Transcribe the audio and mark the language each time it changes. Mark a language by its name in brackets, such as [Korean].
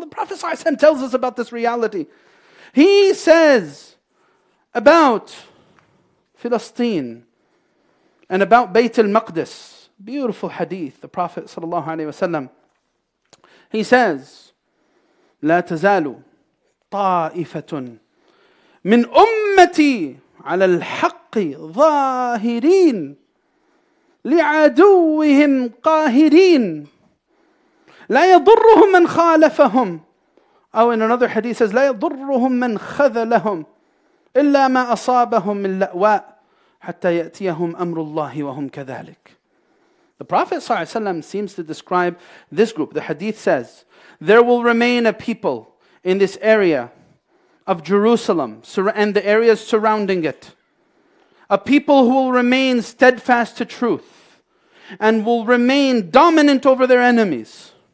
[English] The Prophet ﷺ tells us about this reality. He says about Palestine and about Bayt al-Maqdis, beautiful hadith, the Prophet sallallahu alaihi wasallam, he says, [Arabic] لا تزال طائفة من أمتي على الحق ظاهرين لعدوهم قاهرين لا يضرهم من خالفهم. أو [English] in another hadith says [Arabic] لا يضرهم من خذلهم إلا ما أصابهم من لأواء حتى يأتيهم أمر الله وهم كذلك. [English] The Prophet ﷺ seems to describe this group. The hadith says, there will remain a people in this area of Jerusalem and the areas surrounding it. A people who will remain steadfast to truth and will remain dominant over their enemies.